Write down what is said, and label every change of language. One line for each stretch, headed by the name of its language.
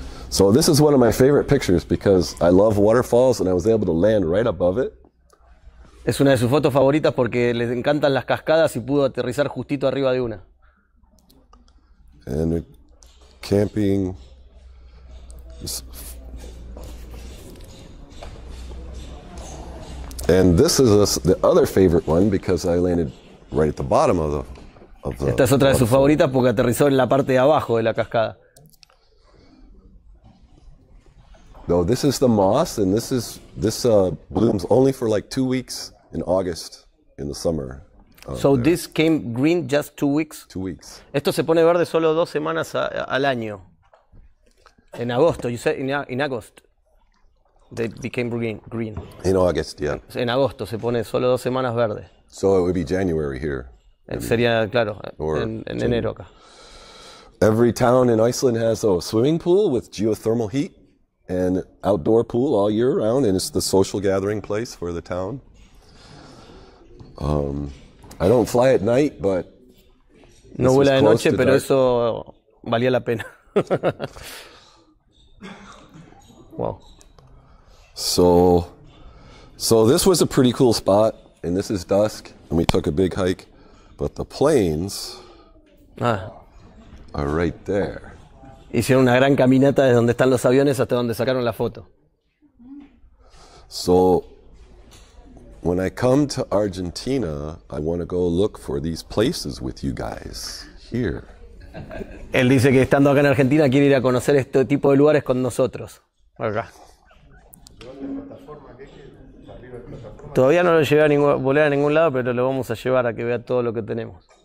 English: So this is one of my favorite pictures because I love waterfalls and I was able to land right above it.
Spanish: Es una de sus fotos favoritas porque les encantan las cascadas y pudo aterrizar justito arriba de una.
English: And camping. And this is the other favorite one because I landed right at the bottom of the waterfall.
Spanish: Esta es otra de sus favoritas porque aterrizó en la parte de abajo de la cascada.
English: No, this is the moss, and this blooms only for like 2 weeks in August in the summer. So there. This came green just 2 weeks. 2 weeks.
Spanish: Esto se pone verde solo dos semanas al año. En agosto.
English: You said in August they became green. In August, yeah.
Spanish: En agosto se pone solo dos semanas verde.
English: So it would be January here. Maybe.
Spanish: Sería claro.
English: Or
Spanish: en enero acá.
English: Every town in Iceland has a swimming pool with geothermal heat. And outdoor pool all year round, and it's the social gathering place for the town. I don't fly at night, but
Spanish: no vuela de noche, pero eso valía la pena.
English: Wow. So this was a pretty cool spot, and this is dusk, and we took a big hike, but the plains are right there.
Spanish: Hicieron una gran caminata desde donde están los aviones hasta donde sacaron la foto.
English: So, when I come to Argentina, I want to go look for these places with you guys here.
Spanish: Él dice que estando acá en Argentina quiere ir a conocer este tipo de lugares con nosotros. Acá. Todavía no lo llevé a ningún, volé a ningún lado, pero lo vamos a llevar a que vea todo lo que tenemos.